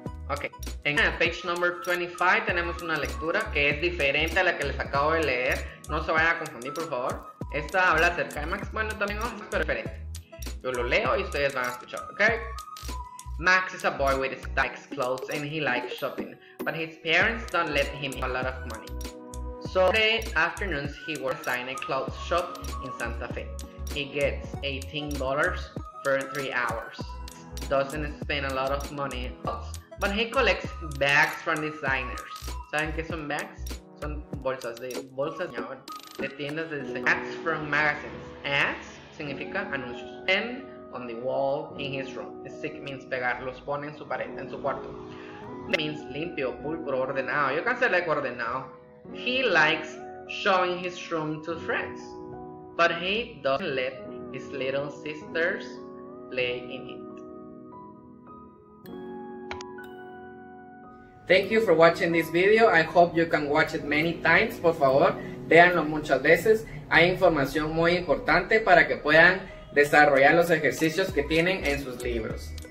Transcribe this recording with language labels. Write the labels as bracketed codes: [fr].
[es] Ok, en [en] page number [es] 25 tenemos una lectura que es diferente a la que les acabo de leer. No se vayan a confundir, por favor. Esta habla acerca de Max. Bueno, también es diferente. Yo lo leo y ustedes van a escuchar, ok. [en] Max is a boy with nice clothes and he likes shopping, but his parents don't let him have a lot of money. So, today afternoons he works in a clothes shop in Santa Fe. He gets $18 for 3 hours. Doesn't spend a lot of money in clothes. But he collects bags from designers. [es] ¿Saben qué son bags? Son bolsas de tiendas de diseño. [en] Ads from magazines. Ads [es] significa anuncios. [en] And on the wall in his room. Stick means pegar. [es] Los pone en su pared, en su cuarto. [en] That means limpio, pulcro, ordenado. Yo can say like ordenado. He likes showing his room to friends. But he doesn't let his little sisters play in it. Thank you for watching this video. I hope you can watch it many times. [es] Por favor, véanlo muchas veces. Hay información muy importante para que puedan desarrollar los ejercicios que tienen en sus libros.